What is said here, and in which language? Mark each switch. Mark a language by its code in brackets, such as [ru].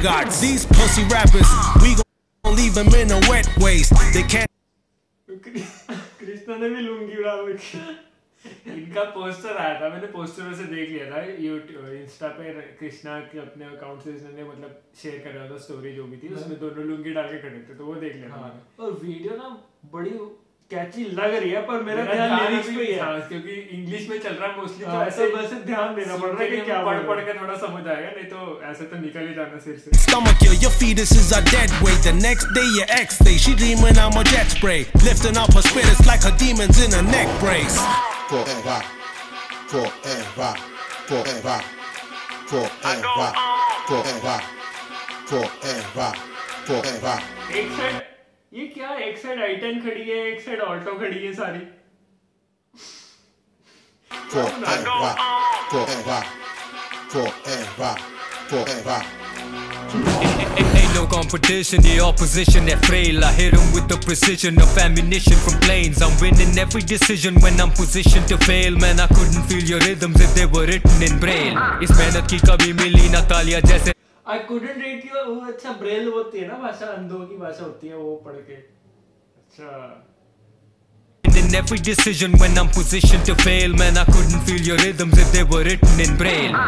[en] Gards, these pussy rappers, we gon' leave them in a wet waste. They can't... [hi] Krishna ne bhi lungi uda rakhi. इनका poster आया था, मैंने poster वैसे देख लिया था यूट्यूब इंस्टा पे कृष्णा के अपने अकाउंट से, इसने मतलब शेयर कर रहा था स्टोरी जो भी थी उसमें दोनों लुंगी डाल के खड़े थे, तो वो देख लिया था। और वीडियो ना बड़ी कैची लग रही है, पर मेरा ध्यान लिरिक्स पे ही है क्योंकि इंग्लिश में चल रहा है मोस्टली, तो ऐसे बस ध्यान देना पड़ रहा है कि क्या पढ़ पढ़ के थोड़ा समझ आएगा, नहीं तो ऐसे तो निकल ही जाना सिर से। [en] Stomach you, your fetuses are dead weight. The next day your ex day, she dreaming I'm a jet spray, lifting up her spirits like her demons in a neck brace. Forever, forever, forever, forever, forever, forever, forever. [hi] ये क्या, एक side आइटन खड़ी है, एक side Alto खड़ी है सारी। [en] Forever, forever, forever, forever. No competition, the opposition they're frail. I hit them with the precision of ammunition from planes. I'm winning every decision when I'm positioned to fail. Man, I couldn't feel your rhythms if they were written in braille. [hi] इस मेहनत की कभी मिली ना तालिया जैसे. [en] I couldn't read you. [hi] वो अच्छा Braille होती है ना भाषा, अंधों की भाषा होती है वो पढ़ के। अच्छा [en] in every decision when I'm positioned to fail, man I couldn't feel your rhythms if they were written in braille.